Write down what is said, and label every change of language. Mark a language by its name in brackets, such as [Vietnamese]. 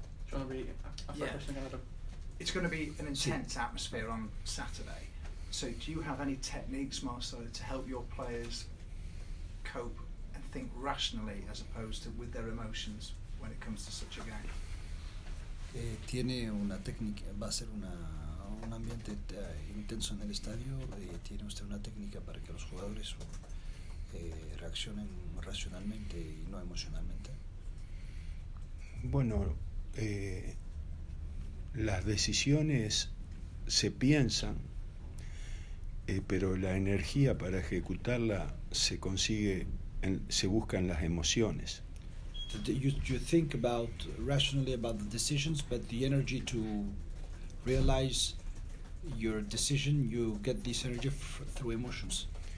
[English] Do you want to read a question? Yeah. It's going to be an intense atmosphere on Saturday. So, do you have any techniques, Marcelo, to help your players cope and think rationally as opposed to with their emotions when it comes to such a game? [Spanish] Tiene una técnica, va a ser un ambiente intenso en el estadio. ¿Tiene usted una técnica para que los jugadores reaccionen racionalmente y no emocionalmente? Bueno, las decisiones se piensan, pero la energía para ejecutarla se consigue, se busca en las emociones. [English] You think about rationally about the decisions, but the energy to realize your decision, you get this energy through emotions.